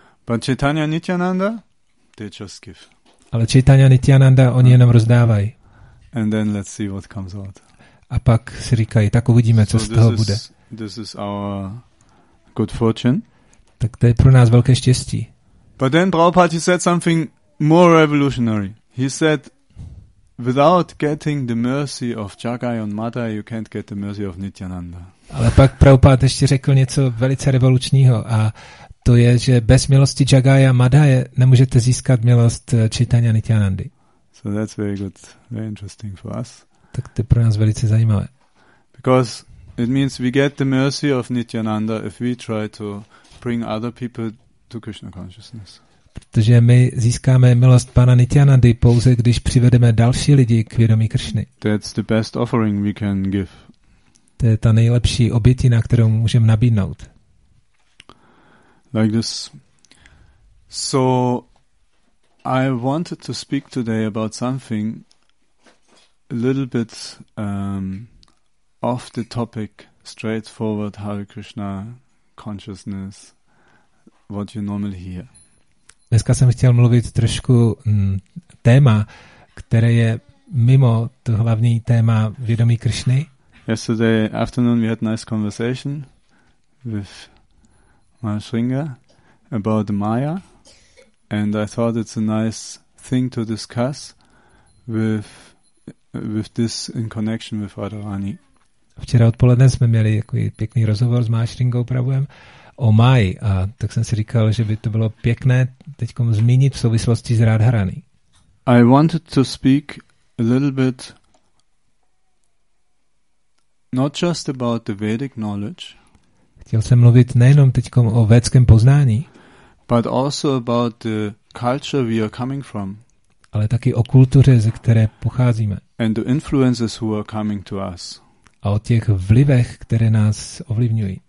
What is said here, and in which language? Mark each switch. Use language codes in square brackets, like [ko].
[en] But Chaitanya Nityananda, they just give. [cs] Ale Chaitanya Nityananda, oni jenom rozdávají. [en] And then let's see what comes out. [cs] A pak si říkají, tak uvidíme, co [en] so [cs] z toho [en] is, [cs] bude. [en] This is our good fortune. [cs] Tak to je pro nás velké štěstí. [en] But then Prabhupada said something more revolutionary. He said, without getting the mercy of Jagayon Mata, you can't get the mercy of Nityananda. [cs] Ale pak Prabhupada ještě řekl něco velice revolučního a to je, že bez milosti Jagaya Madhaya nemůžete získat milost Chaitanya Nityanandy. [en] So that's very good, very interesting for us. [cs] Tak to je pro nás velice zajímavé. [en] Because it means we get the mercy of Nityananda if we try to bring other people to Krishna consciousness. [cs] Protože my získáme milost pana Nityanandy pouze, když přivedeme další lidi k vědomí Krishny. [en] That's the best offering we can give. [cs] To je ta nejlepší obětina, kterou můžeme nabídnout. [en] Like this. So I wanted to speak today about something a little bit off the topic, straightforward Hare Krishna consciousness, what you normally hear. [cs] Dneska jsem chtěl mluvit trošku téma, které je mimo to hlavní téma vědomí Krishny. [en] Yesterday afternoon we had nice conversation with Maharaj Sringa about Maya, and I thought it's a nice thing to discuss with this in connection with Radharani. [cs] Včera odpoledne jsme měli takový pěkný rozhovor s Maharaj Sringou Prabhuem o Maji a tak jsem si říkal, že by to bylo pěkné teďkom zmínit v souvislosti s Radharani. [en] I wanted to speak a little bit not just about the Vedic knowledge. [cs] Chtěl jsem mluvit nejenom teďkom o védském poznání, [en] but also about the culture we are coming from, [cs] ale taky o kultuře, ze které pocházíme, [en] and the influences who are coming to us, [cs] a o těch vlivech, které nás ovlivňují.